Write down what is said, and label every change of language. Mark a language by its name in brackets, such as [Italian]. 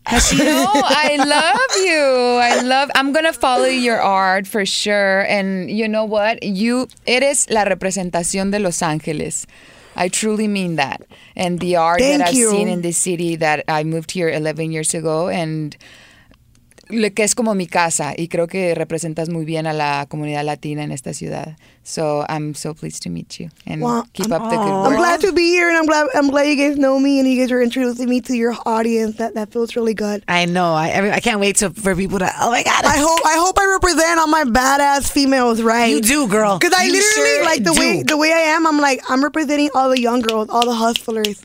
[English] I love you. I'm going to follow your art for sure. And you know what? You, it is [Spanish] la representación de Los Angeles. [English] I truly mean that. And the art I've seen in this city that I moved here 11 years ago and... [Spanish] que es como mi casa y creo que representas muy bien a la comunidad latina en esta ciudad. [English] So I'm so pleased to meet you and keep up the good work. I'm glad to be here and I'm glad you guys know me and you guys are introducing me to your audience. That feels really good. I know. I can't wait for people to. Oh my god. I hope I represent all my badass females right. You do, girl. Because I literally, the way I am, I'm like I'm representing all the young girls, all the hustlers.